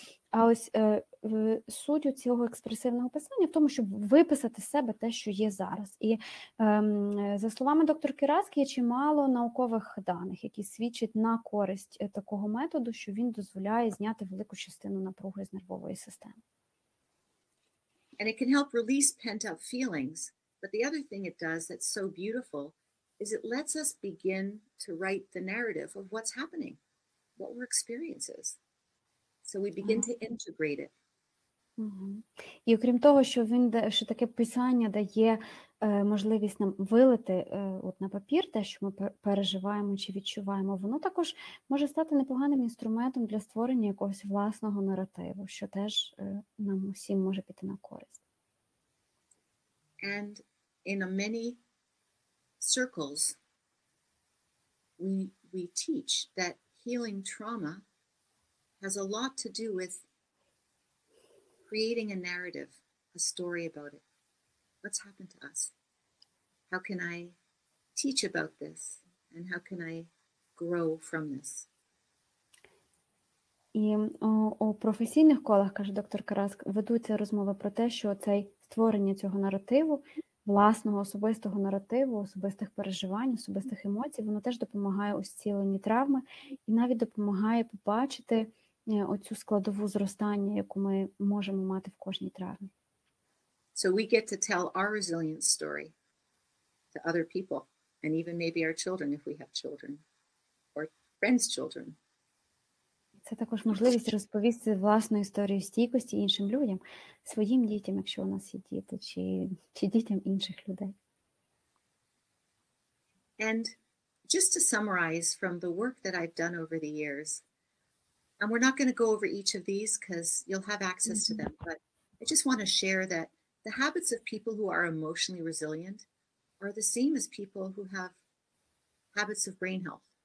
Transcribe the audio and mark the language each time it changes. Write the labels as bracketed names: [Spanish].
[Ukrainian] А ось суть у цього експресивного писання в тому, щоб виписати з себе те, що є зараз. І за словами доктора Кіраски, є чимало наукових даних, які свідчать на користь такого методу, що він дозволяє зняти велику частину напруги з нервової системи. [English] And it can help release pent-up feelings. But the other thing it does that's so beautiful is it lets us begin to write the narrative of what's happening, what we're experiences. So we begin to integrate it. [Ukrainian] Mm-hmm. І окрім того, що таке писання дає можливість нам вилити от на папір те, що ми переживаємо чи відчуваємо, воно також може стати непоганим інструментом для створення якогось власного наративу, що теж нам усім може піти на користь. [English] And in many circles we teach that healing trauma has a lot to do with creating a narrative, a story about it. What's happened to us? How can I teach about this? And how can I grow from this? [Ukrainian] І у професійних колах, каже доктор Караск, ведуться розмови про те, що цей створення цього наративу, власного особистого наративу, особистих переживань, особистих емоцій, воно теж допомагає у зціленні травми і навіть допомагає побачити оцю складову зростання, яку ми можемо мати в кожній травмі. [English] So we get to tell our resilience story to other people, and even maybe our children, if we have children, or friends' children. [Ukrainian] Це також можливість розповісти власну історію стійкості іншим людям, своїм дітям, якщо у нас є діти, чи дітям інших людей. [English] And just to summarize from the work that I've done over the years, and we're not going to go over each of these because you'll have access to them, but I just want to share that the habits of people who are emotionally resilient are the same as people who have habits of brain health.